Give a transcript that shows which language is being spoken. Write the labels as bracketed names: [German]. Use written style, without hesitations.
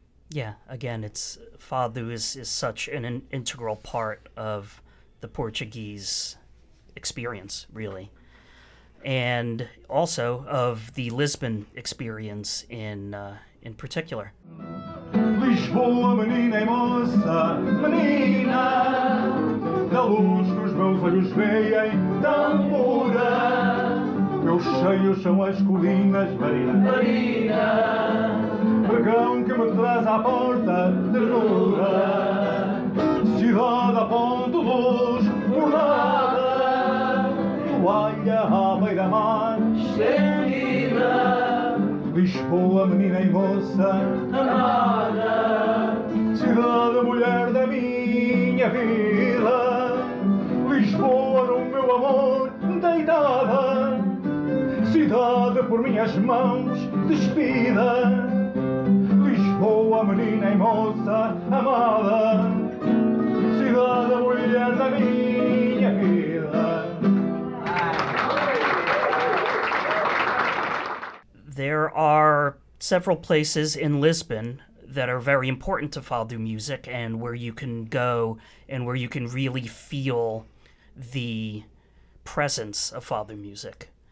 [English] Yeah. Again, it's Fado is such an integral part of the Portuguese experience, really. And also of the Lisbon experience in particular. [Portuguese] Lisboa, menina e moça, menina, da luz que os meus olhos veem tão pura. Meus cheios são as colinas, Marina, Marina, pregão que me traz à porta, ternura. Cidade a ponto de luz, morada, toalha à beira-mar, estendida. Lisboa, menina e moça, amada, cidade, mulher da minha vida. Lisboa, no meu amor, deitada, cidade, por minhas mãos, despida. Lisboa, menina e moça, amada, cidade, mulher da minha vida. [English] There are several places in Lisbon that are very important to Fado music, and where you can go and where you can really feel the presence of Fado music.